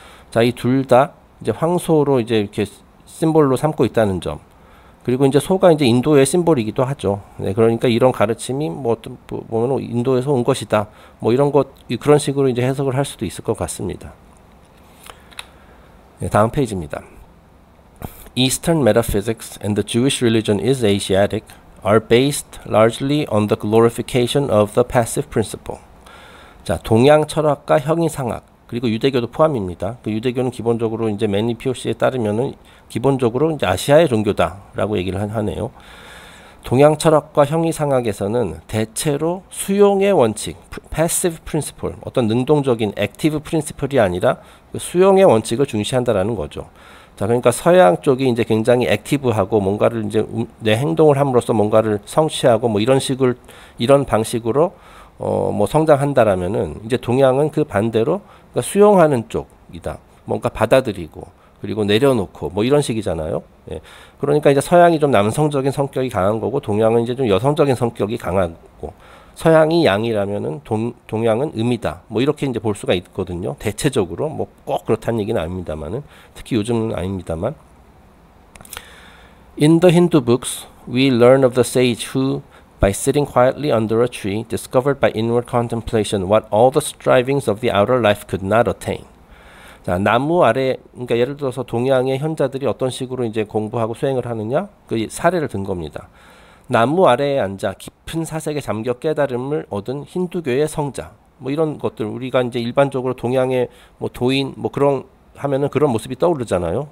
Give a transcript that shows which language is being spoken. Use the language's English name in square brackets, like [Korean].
[Korean] 자, 이둘다 이제 황소로 이제 이렇게 심볼로 삼고 있다는 점. 그리고 이제 소가 이제 인도의 심볼이기도 하죠. 네, 그러니까 이런 가르침이 뭐 어떤 보면 인도에서 온 것이다. 뭐 이런 것 그런 식으로 이제 해석을 할 수도 있을 것 같습니다. 네, 다음 페이지입니다. [English] Eastern metaphysics and the Jewish religion is Asiatic are based largely on the glorification of the passive principle. [Korean] 자, 동양 철학과 형이상학 그리고 유대교도 포함입니다. 그 유대교는 기본적으로 이제 매니 피오시에 따르면은 기본적으로 이제 아시아의 종교다라고 얘기를 하네요. 동양 철학과 형이상학에서는 대체로 수용의 원칙, [English] passive principle, [Korean] 어떤 능동적인 [English] active principle [Korean] 이 아니라 수용의 원칙을 중시한다라는 거죠. 자, 그러니까 서양 쪽이 이제 굉장히 액티브하고 뭔가를 이제 내 행동을 함으로써 뭔가를 성취하고 뭐 이런 식을 이런 방식으로 뭐 성장한다라면은 이제 동양은 그 반대로 그러니까 수용하는 쪽이다. 뭔가 받아들이고 그리고 내려놓고 뭐 이런 식이잖아요. 예. 그러니까 이제 서양이 좀 남성적인 성격이 강한 거고 동양은 이제 좀 여성적인 성격이 강하고 서양이 양이라면은 동양은 음이다. 뭐 이렇게 이제 볼 수가 있거든요. 대체적으로 뭐꼭 그렇다는 얘기는 아닙니다만은 특히 요즘은 아닙니다만. [English] In the Hindu books, we learn of the sage who By sitting quietly under a tree, discovered by inward contemplation what all the strivings of the outer life could not attain. [Korean] 자, 나무 아래, 그러니까 예를 들어서 동양의 현자들이 어떤 식으로 이제 공부하고 수행을 하느냐? 그 사례를 든 겁니다. 나무 아래에 앉아 깊은 사색에 잠겨 깨달음을 얻은 힌두교의 성자. 뭐 이런 것들, 우리가 이제 일반적으로 동양의 뭐 도인, 뭐 그런, 하면은 그런 모습이 떠오르잖아요.